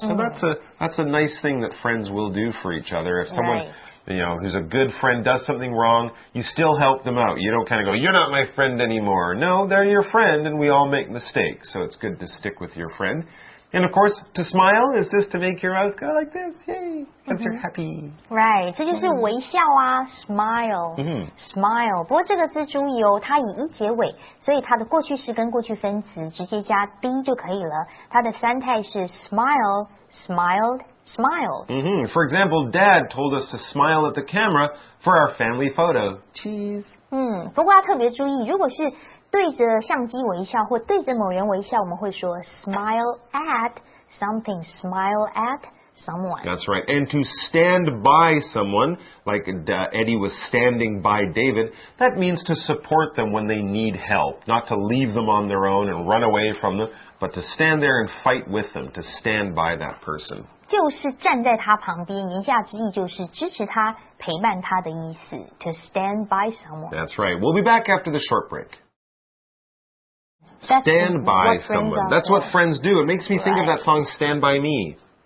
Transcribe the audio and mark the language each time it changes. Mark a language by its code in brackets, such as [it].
[en] So that's a nice thing that friends will do for each other. If someone... You know, who's a good friend does something wrong, you still help them out. You don't kind of go, you're not my friend anymore. No, they're your friend, and we all make mistakes. So it's good to stick with your friend. And of course, to smile is just to make your mouth go like this. Yay! Because you're happy. Right. [zh] 这就是微笑啊 smile. [en] Smile. [zh] 不过这个字注意哦，它以一结尾，所以它的过去式跟过去分词直接加 d 就可以了。 [en] 它的三态是 smile, smiled,Smile. For example, Dad told us to smile at the camera for our family photo. Cheese. [zh] 不过要特别注意，如果是对着相机微笑或对着某人微笑，我们会说 [en] smile at something. Smile at someone. That's right. And to stand by someone, like Eddie was standing by David, that means to support them when they need help, not to leave them on their own and run away from them, but to stand there and fight with them, to stand by that person. [zh] 就是站在他旁边，言下之意就是支持他，陪伴他的意思。 [en] To stand by someone. That's right. We'll be back after the short break. Stand by someone. That's what friends do. It makes me think of that song, Stand By Me.